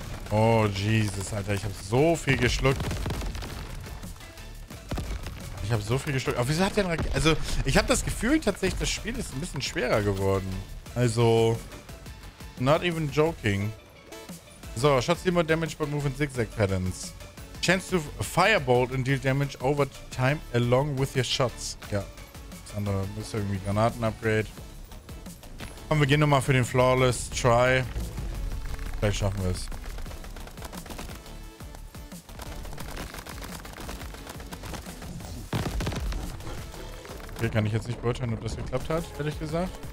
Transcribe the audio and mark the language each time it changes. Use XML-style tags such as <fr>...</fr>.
<de>Oh, Jesus, Alter. Ich habe so viel geschluckt. Aber wieso hat der... Also, ich habe das Gefühl tatsächlich, das Spiel ist ein bisschen schwerer geworden.</de> <en>Also, not even joking. So, Shots deal more damage but move in zigzag patterns. Chance to firebolt and deal damage over time along with your shots.</en> <de>Ja. Das andere ist irgendwie Granaten-Upgrade. Komm, wir gehen nochmal für den Flawless Try. Vielleicht schaffen wir es. Okay, kann ich jetzt nicht beurteilen, ob das geklappt hat, ehrlich gesagt.</de>